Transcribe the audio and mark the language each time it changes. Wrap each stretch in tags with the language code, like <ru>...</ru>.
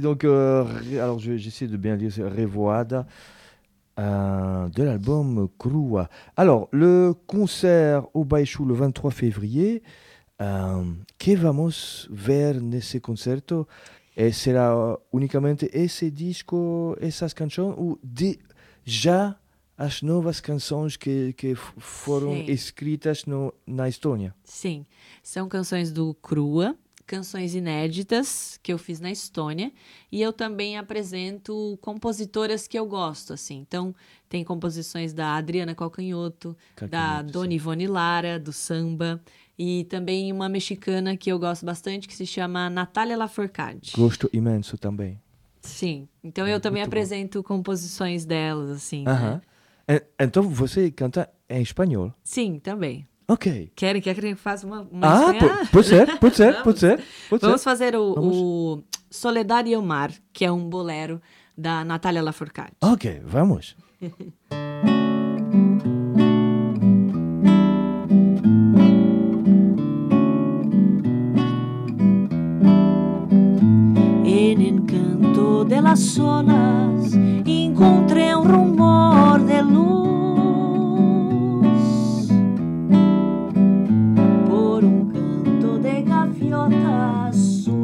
<fr>Donc, alors j'essaie de bien dire Revoada de l'album Crua. Alors, le concert au Baïchou le 23 février,</fr> <pt>que vamos ver nesse concerto? Et será unicamente ese disco, essas canções, ou déjà as novas canções que foram escritas na Estônia? Sim, são canções do Crua, canções inéditas que eu fiz na Estônia, e eu também apresento compositoras que eu gosto, assim. Então, tem composições da Adriana Calcanhoto da Dona Ivone Lara, do samba, e também uma mexicana que eu gosto bastante, que se chama Natália Lafourcade. Gosto imenso também. Sim, então eu também apresento composições delas, assim, uh-huh, né? Então você canta em espanhol? Sim, também. Ok. Quer que a gente faça uma espanhola? Ah, pode ser. Vamos fazer o Soledad y Omar, que é um bolero da Natália Lafourcade. Ok, vamos.</pt> <es>En el canto de las olas encontré un rumor de luz por un canto de gaviotas.</es>